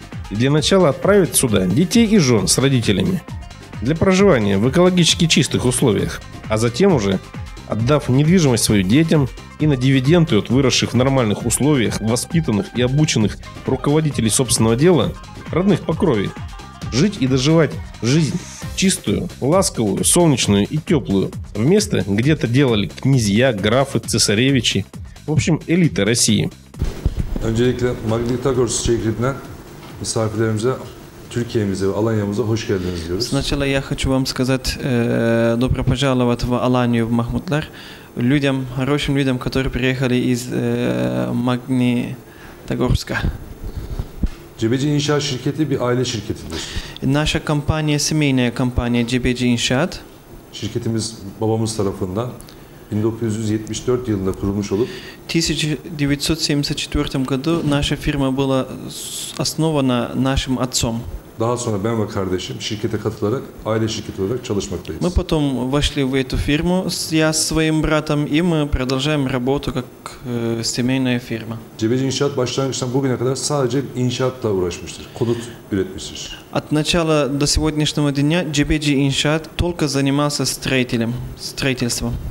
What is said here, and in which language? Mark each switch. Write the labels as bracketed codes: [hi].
[ru] И для начала отправят сюда детей и жен с родителями для проживания в экологически чистых условиях, а затем уже, отдав недвижимость свою детям и на дивиденды от выросших в нормальных условиях, воспитанных и обученных руководителей собственного дела, родных по крови, жить и доживать жизнь чистую, ласковую, солнечную и теплую, в место, где-то делали князья, графы, цесаревичи, в общем, элита России. [tr] Öncelikle Magnitogorsk şehrine misafirlerimize, Türkiye'mize ve Alanya'mıza hoş geldiniz diyoruz. [ru] Сначала я хочу вам сказать, добро пожаловать в Аланию, в Махмутлар, людям, хорошим людям, которые приехали из Магнитогорска. [tr] Cebeci İnşaat Şirketi bir aile şirketidir. [ru] Наша компания семейная компания Cebeci İnşaat. [tr] Şirketimiz babamız tarafından 1974 yılında kurulmuş olup [ru] 1974 году наша фирма была основана нашим отцом. [tr] Daha sonra ben ve kardeşim şirkete katılarak aile şirketi olarak çalışmaktayız. [ru] Мы потом вошли в эту фирму с я своим братом и мы продолжаем работу как семейная фирма. [tr] Cebeci İnşaat başlangıçtan bugüne kadar sadece inşaatla uğraşmıştır. Konut üretmiştir. [ru] От начала до сегодняшнего дня Cebeci İnşaat только занимался строительством.